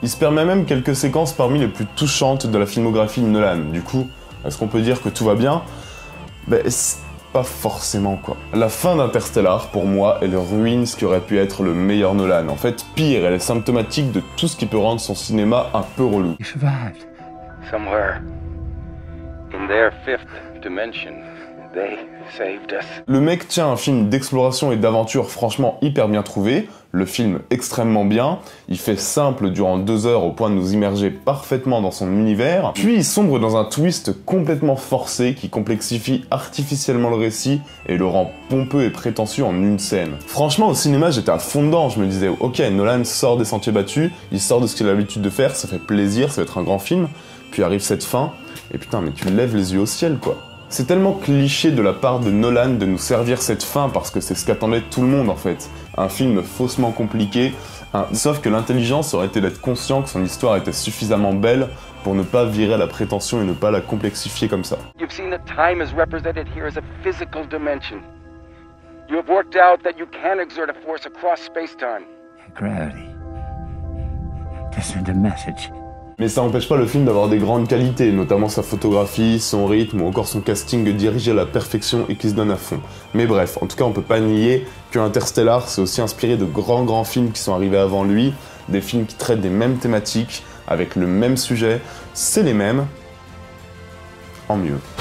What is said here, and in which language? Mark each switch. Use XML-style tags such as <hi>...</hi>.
<fr>Il se permet même quelques séquences parmi les plus touchantes de la filmographie de Nolan. Du coup, est-ce qu'on peut dire que tout va bien? Pas forcément quoi. La fin d'Interstellar, pour moi, elle ruine ce qui aurait pu être le meilleur Nolan. En fait, pire, elle est symptomatique de tout ce qui peut rendre son cinéma un peu relou.</fr> <en>Il survive. Somewhere. In their fifth dimension, they saved us.</en> <fr>Le mec tient un film d'exploration et d'aventure franchement hyper bien trouvé, le film extrêmement bien, il fait simple durant 2 heures au point de nous immerger parfaitement dans son univers, puis il sombre dans un twist complètement forcé qui complexifie artificiellement le récit et le rend pompeux et prétentieux en une scène. Franchement, au cinéma, j'étais à fond dedans, je me disais « Ok, Nolan sort des sentiers battus, il sort de ce qu'il a l'habitude de faire, ça fait plaisir, ça va être un grand film », puis arrive cette fin, et putain, mais tu lèves les yeux au ciel, quoi. C'est tellement cliché de la part de Nolan de nous servir cette fin, parce que c'est ce qu'attendait tout le monde, en fait. Un film faussement compliqué, sauf que l'intelligence aurait été d'être conscient que son histoire était suffisamment belle pour ne pas virer à la prétention et ne pas la complexifier comme ça.</fr> <en>You've seen that time is represented here as a physical dimension. You have worked out that you can exert a force across space-time. Gravity. Descend a message.</en> <fr>Mais ça n'empêche pas le film d'avoir des grandes qualités, notamment sa photographie, son rythme ou encore son casting dirigé à la perfection et qui se donne à fond. Mais bref, en tout cas on peut pas nier que Interstellar s'est aussi inspiré de grands films qui sont arrivés avant lui, des films qui traitent des mêmes thématiques, avec le même sujet, c'est les mêmes, en mieux.</fr>